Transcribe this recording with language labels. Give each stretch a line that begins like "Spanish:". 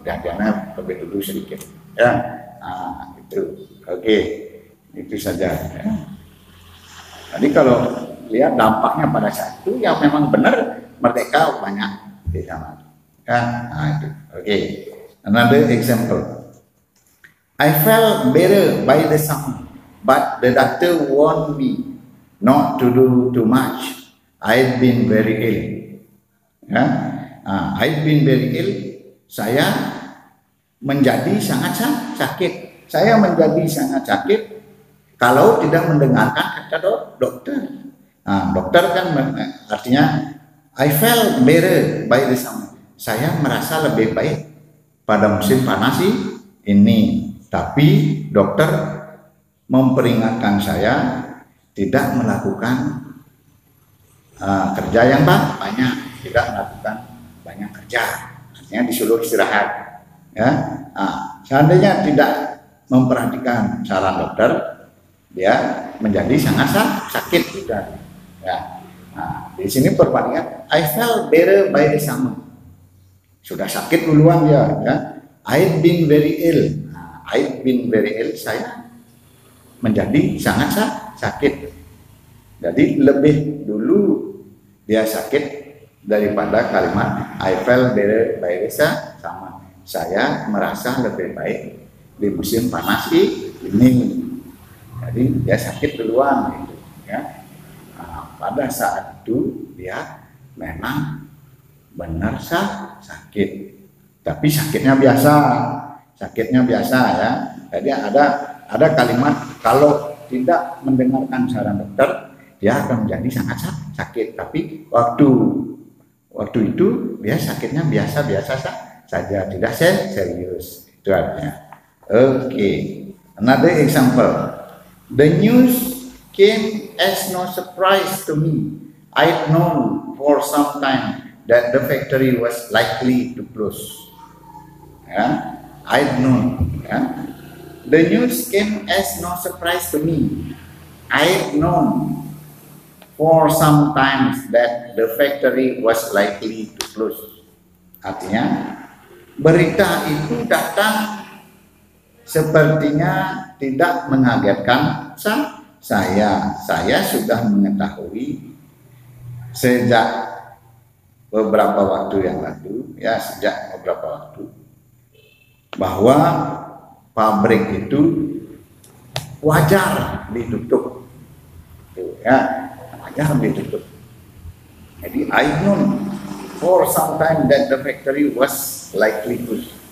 Indonesian: Kejadiannya lebih dulu sedikit, ya. Nah, itu. Oke, itu saja. Ya. Jadi kalau lihat dampaknya pada saat itu, ya memang benar merdeka banyak di sana. Ya, nah itu. Oke.
English: Another example. I felt better by the sound, but the doctor warned me not to do too much. I've been very ill. Ya, I've been very ill.
Indonesian: Saya menjadi sangat sakit. Saya menjadi sangat sakit kalau tidak mendengarkan kata dokter. Nah, dokter kan artinya
English: I felt better by the summer.
Indonesian: Saya merasa lebih baik pada musim panas ini. Tapi dokter memperingatkan saya tidak melakukan kerja yang banyak. Tidak melakukan banyak kerja. Artinya disuruh istirahat. Ya. Nah, seandainya tidak memperhatikan saran dokter, dia menjadi sangat sakit juga. Ya. Nah, di sini perbandingan,
English: I felt better by the summer.
Indonesian: Sudah sakit duluan dia. Ya.
English: I've been very ill. Nah, I've been very ill.
Indonesian: Saya menjadi sangat sakit. Jadi lebih dulu dia sakit daripada kalimat
English: I felt better by the summer.
Indonesian: Saya merasa lebih baik di musim panas ini. Jadi dia sakit duluan gitu, ya. Nah, pada saat itu dia memang benar sakit. Tapi sakitnya biasa ya. Jadi ada kalimat kalau tidak mendengarkan saran dokter, dia akan menjadi sangat sakit. Tapi waktu itu dia sakitnya biasa-biasa saja, tidak serius. Itu artinya.
English: Okay, another example. The news came as no surprise to me. I'd known for some time that the factory was likely to close. Yeah? I'd known. Yeah? The news came as no surprise to me. I'd known for some time that the factory was likely to close.
Indonesian: Artinya, berita itu datang sepertinya tidak mengagetkan saya. Saya sudah mengetahui sejak beberapa waktu yang lalu, ya sejak beberapa waktu, bahwa pabrik itu wajar ditutup. Ya, wajar ditutup.
English: Jadi I know for some time that the factory was likely to.